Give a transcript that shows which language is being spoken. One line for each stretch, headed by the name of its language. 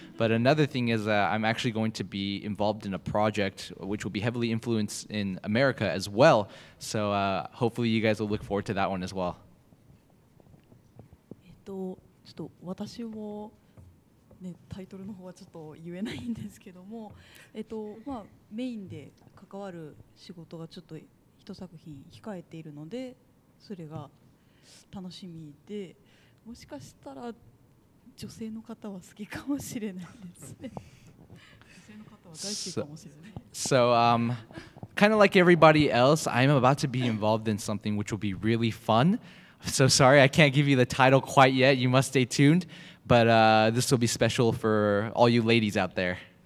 English: But another thing is I'm actually going to be involved in a project which will be heavily influenced in America as well, so hopefully you guys will look forward to that one as well.
Japanese: ね、タイトルの方はちょっと言えないんですけども、まあ、メインで関わる仕事がちょっと一作品控えているのでそれが楽しみで、もしかしたら女性の方は好きかもしれないですね。
English: So, kind of like everybody else, I'm about to be involved in something which will be really fun. So sorry, I can't give you the title quite yet. You must stay tuned. But this will be special for all you ladies out there.